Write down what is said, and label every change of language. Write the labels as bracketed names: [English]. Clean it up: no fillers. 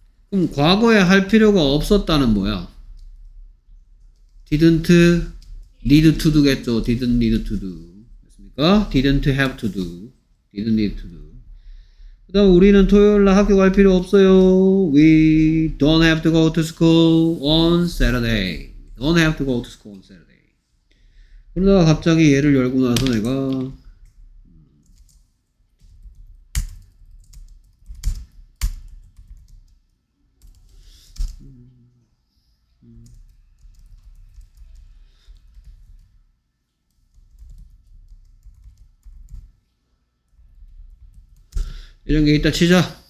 [Korean] 그럼 과거에 할 필요가 없었다는 뭐야? [English] Didn't need to do겠죠. Didn't need to do. [Korean] 됐습니까? [English] Didn't have to do. Didn't need to do. [Korean] 그 다음 우리는 토요일날 학교 갈 필요 없어요. [English] We don't have to go to school on Saturday. Don't have to go to school on Saturday. [Korean] 그러다가 갑자기 얘를 열고 나서 내가 이런 게 있다 치자.